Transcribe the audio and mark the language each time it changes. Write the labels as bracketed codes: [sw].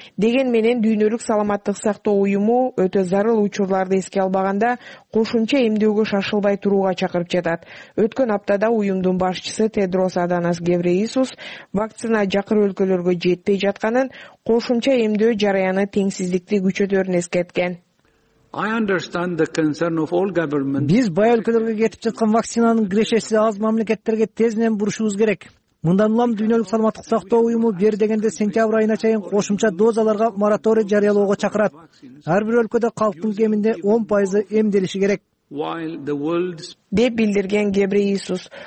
[ky] Деген менен дүйнөлүк саламаттык сактоо уюму өтө зарыл учурларды эске албаганда кошумча эмдөөгө шашылбай турууга чакырып жатат. Өткөн аптада уюмдун башчысы Тедрос Аданас Гебрейесус вакцина жакыр өлкөлөргө жетпей жатканын, кошумча эмдөө жараяны теңсиздикти күчөтөрүн эскерткен. [en] I understand the concern of all governments. [ky] Биз бай өлкөлөргө кетип жаткан вакцинанын кирешеси аз мамлекеттерге тезинен бурушубуз керек. Мындан улам дүйнөлүк саламаттык сактоо уюму бир дегенде сентябрь айына чейин кошумча дозаларга мораторий жарыялоого чакырат. Ар бир өлкөдө калктын кеминде 10% эмделиши керек, деп билдирген Гебрейесус.